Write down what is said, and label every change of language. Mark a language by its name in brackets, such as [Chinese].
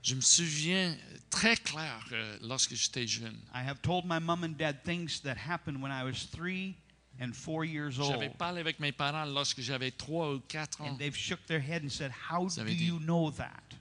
[French] Je me souviens très clair lorsque j'étais jeune. [English] I have told my mom and dad things that happened when I was 3 and 4 years old. [French] J'avais parlé avec mes parents lorsque j'avais 3 ou 4 ans. [English] And they've shook their head and said, "How do you know that?"